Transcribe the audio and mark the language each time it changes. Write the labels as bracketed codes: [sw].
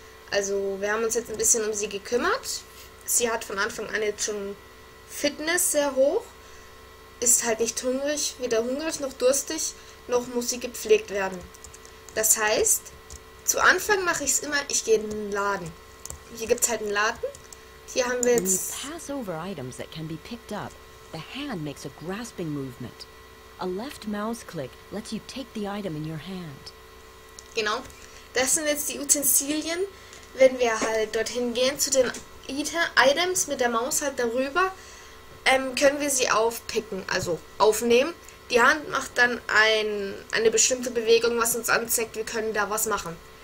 [de] Also wir haben uns jetzt ein bisschen um sie gekümmert. Sie hat von Anfang an jetzt schon Fitness sehr hoch. Ist halt nicht hungrig, weder hungrig noch durstig, noch muss sie gepflegt werden. Das heißt, zu Anfang mache ich es immer, ich gehe in den Laden. Hier gibt es halt einen Laden. Hier haben wir jetzt... [en] When you pass over items that can be picked up, the hand makes a grasping movement. A left mouse click lets you take the item in your hand. [de] Genau. Das sind jetzt die Utensilien. Wenn wir halt dorthin gehen zu den Items mit der Maus halt darüber, können wir sie aufpicken, also aufnehmen. Die Hand macht dann eine bestimmte Bewegung, was uns anzeigt, wir können da was machen.